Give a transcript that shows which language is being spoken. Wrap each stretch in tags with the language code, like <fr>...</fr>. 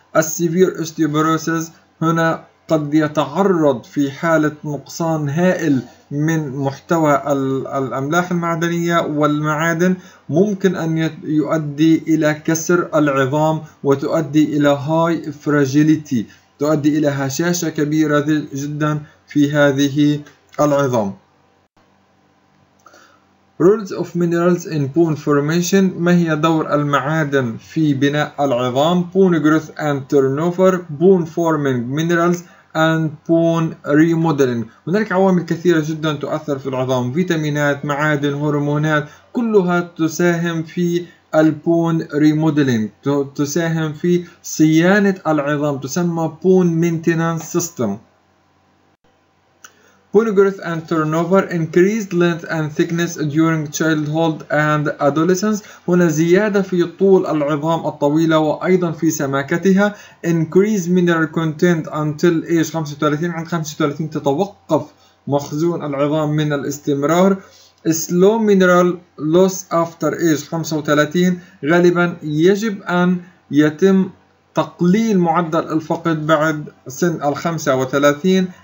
<ar>السيفير أستيوبوروسيس هنا قد يتعرض في حالة نقصان هائل من محتوى الأملاح المعدنية والمعادن ممكن أن يؤدي إلى كسر العظام وتؤدي إلى هاي فراجيليتي تؤدي إلى هشاشة كبيرة جدا في هذه العظام.</ar> <en>Roles of minerals in bone formation.</en> <ar>ما هي دور المعادن في بناء العظام؟</ar> <en>Bone growth and turnover, bone forming minerals and bone remodeling.</en> <ar>هناك عوامل كثيرة جدا تؤثر في العظام. فيتامينات، معادن، هرمونات كلها تساهم في البون ريموديلينج تساهم في صيانة العظام تسمى بون مينتيننس سيستم.</ar> <en>Bone growth and turnover increased length and thickness during childhood and adolescence.</en> <ar>هنا زيادة في طول العظام الطويلة وأيضا في سماكتها.</ar> <en>Increase mineral content until age 35</en> <ar>عند 35 تتوقف مخزون العظام من الاستمرار.</ar> <en>Slow mineral loss after age 35</en> <ar>غالبا يجب أن يتم تقليل معدل الفقد بعد سن 35.</ar>